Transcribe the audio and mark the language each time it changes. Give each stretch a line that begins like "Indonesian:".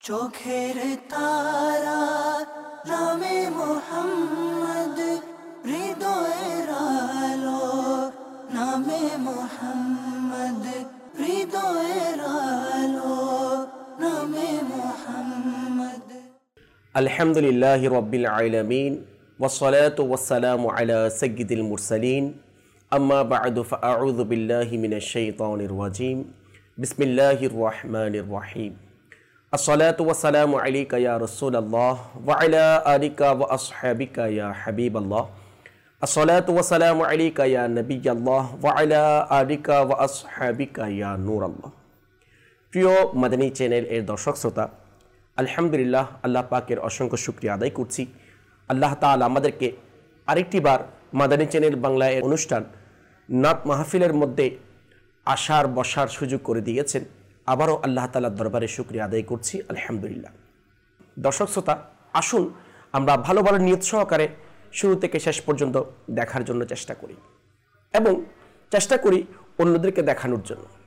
Bangla: চোখের তারা নামে মোহাম্মদ, হৃদয়ের আলো নামে মোহাম্মদ, হৃদয়ের আলো নামে মোহাম্মদ।
Arabic: আলহামদুলিল্লাহ রাব্বিল আলামিন والصلاه والسلام على سيد المرسلين اما بعد فاعوذ بالله من الشيطان الرجيم بسم الله الرحمن الرحيم الصلاه والسلام عليك يا رسول الله وعلى اليك واصحابك يا حبيب الله الصلاه والسلام عليك يا نبي الله وعلى اليك واصحابك يا نور الله
Bangla: প্রিয় মদনী চ্যানেল এর দর্শক শ্রোতা, আলহামদুলিল্লাহ আল্লাহ পাকের অসংখ্য শুকরিয়া আদায় করছি। আল্লাহ তাআলা আমাদেরকে আরেকটি বার মাদানী চ্যানেল বাংলায় অনুষ্ঠান নাত মাহফিলের মধ্যে আসার বসার সুযোগ করে দিয়েছেন, আবারও আল্লাহ তাআলার দরবারে শুকরিয়া আদায় করছি আলহামদুলিল্লাহ। দর্শক শ্রোতা, আসুন আমরা ভালো ভালো নিয়ত সহকারে শুরু থেকে শেষ পর্যন্ত দেখার জন্য চেষ্টা করি এবং চেষ্টা করি অন্যদেরকে দেখানোর জন্য।